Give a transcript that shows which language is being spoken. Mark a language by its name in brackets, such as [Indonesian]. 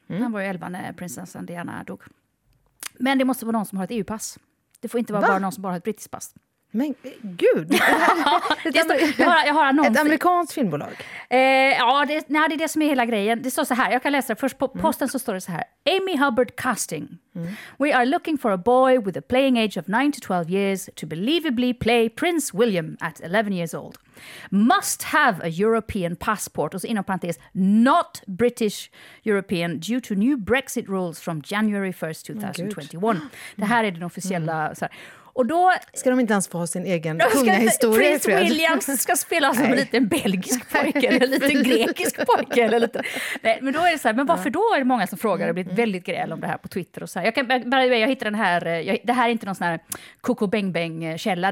[Swedish] Han var ju 11 när prinsessan Diana dog. Men det måste vara någon som har ett EU-pass. Det får inte vara bara någon som bara har ett brittiskt pass. Men gud! jag har ett amerikanskt filmbolag? Det är det som är hela grejen. Det står så här, jag kan läsa det. Först på posten så står det så här. Amy Hubbard casting. [English] We are looking for a boy with a playing age of 9-12 years to believably play Prince William at 11 years old. Must have a European passport. [Swedish] Och så inom parentes, [English] not British European due to new Brexit rules from January 1st, 2021. [Swedish] Det här är den officiella... Så här. Och då ska de inte ens få ha sin egen kungahistoria. Prins William ska spela som en liten belgisk pojke eller en liten grekisk pojke eller lite. Nej, men då är det så här, men varför då är det många som frågar och blir väldigt gräl om det här på Twitter och så här. Jag hittar den här, det här är inte någon sån här koko bang bang källa.